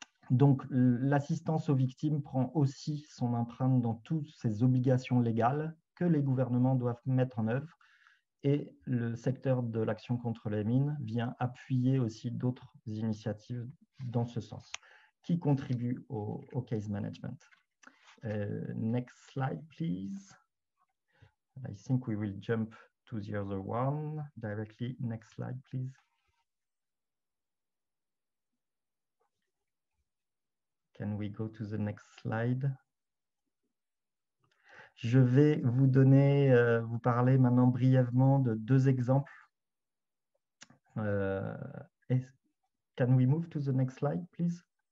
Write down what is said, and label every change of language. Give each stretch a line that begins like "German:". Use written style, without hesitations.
French: Donc, l'assistance aux victimes prend aussi son empreinte dans toutes ces obligations légales que les gouvernements doivent mettre en œuvre, et le secteur de l'action contre les mines vient appuyer aussi d'autres initiatives dans ce sens qui contribuent au case management.
English: Next slide, please. I think we will jump to the other one directly. Next slide, please. Can we go to the next slide?
French: Je vais vous donner, vous parler maintenant brièvement de deux exemples.
English: Can we move to the next slide, please?